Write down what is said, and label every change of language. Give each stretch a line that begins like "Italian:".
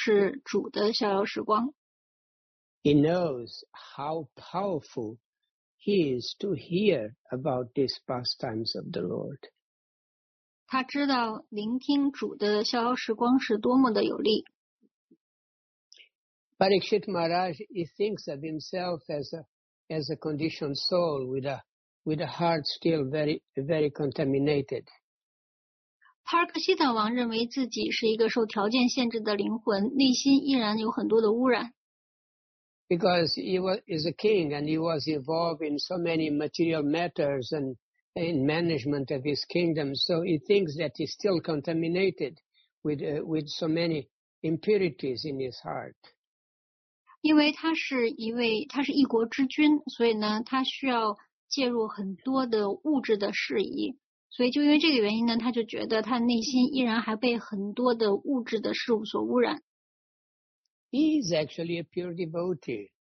Chinese: 因为圣典博伽瓦坛里所描述的都是主的逍遥时光。
English: He knows how powerful he is to hear about these pastimes of the Lord.
Chinese: 他知道聆听主的逍遥时光是多么的有力。
English: Parikshit Maharaj, he thinks of himself as a conditioned soul with a heart still very contaminated.
Chinese: Parikshit Maharaj 认为自己是一个受条件限制的灵魂，内心依然有很多的污染。
English: Because he is a king and he was involved in so many material matters and in management of his kingdom, so he thinks that he's still contaminated with so many impurities in his heart.
Chinese: 因为他是一国之君，所以呢，他需要介入很多的物质的事宜，所以就因为这个原因呢，他就觉得他内心依然还被很多的物质的事物所污染。
English: He is actually a pure devotee.